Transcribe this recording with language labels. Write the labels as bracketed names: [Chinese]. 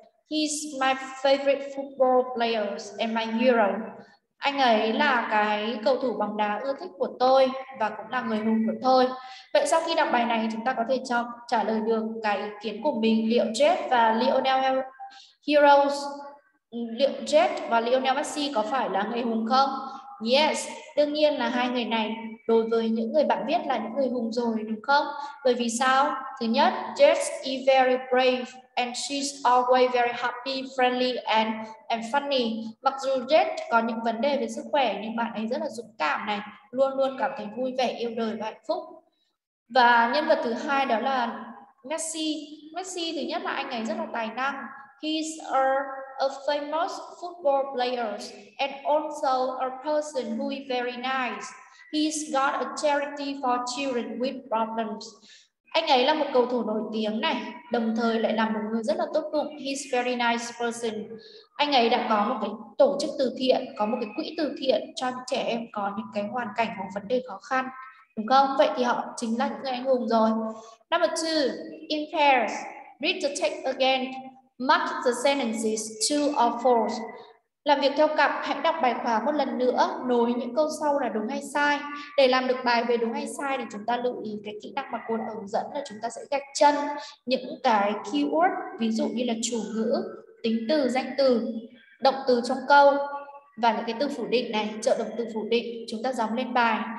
[English] He's my favorite football players and my hero. [Vietnamese] Anh ấy là cái cầu thủ bóng đá ưa thích của tôi và cũng là người hùng của tôi. Vậy sau khi đọc bài này, chúng ta có thể cho trả lời được cái ý kiến của mình. Liệu Jet và Lionel Heroes, liệu Jet và Lionel Messi có phải là người hùng không? Yes, đương nhiên là hai người này. Đối với những người bạn viết là những người hùng rồi, đúng không? Bởi vì sao? Thứ nhất, [English] Jess is very brave and she's always very happy, friendly and funny. [Vietnamese] Mặc dù Jess có những vấn đề về sức khỏe nhưng bạn ấy rất là dũng cảm này, luôn luôn cảm thấy vui vẻ, yêu đời và hạnh phúc. Và nhân vật thứ hai đó là Messi. Messi thứ nhất là anh ấy rất là tài năng. [English] He's a famous football player and also a person who is very nice. He's got a charity for children with problems. [Vietnamese] Anh ấy là một cầu thủ nổi tiếng này, đồng thời lại là một người rất là tốt bụng. [English] He's very nice person. [Vietnamese] Anh ấy đã có một cái tổ chức từ thiện, có một cái quỹ từ thiện cho trẻ em có những cái hoàn cảnh hoặc vấn đề khó khăn, đúng không? Vậy thì họ chính là những người anh hùng rồi. [English] Number two, in pairs, read the text again. Mark the sentences true or false. [Vietnamese] Làm việc theo cặp, hãy đọc bài khóa một lần nữa, nối những câu sau là đúng hay sai. Để làm được bài về đúng hay sai thì chúng ta lưu ý cái kỹ năng mà cô đã hướng dẫn là chúng ta sẽ gạch chân những cái keyword, ví dụ như là chủ ngữ, tính từ, danh từ, động từ trong câu và những cái từ phủ định này, trợ động từ phủ định chúng ta gióng lên bài.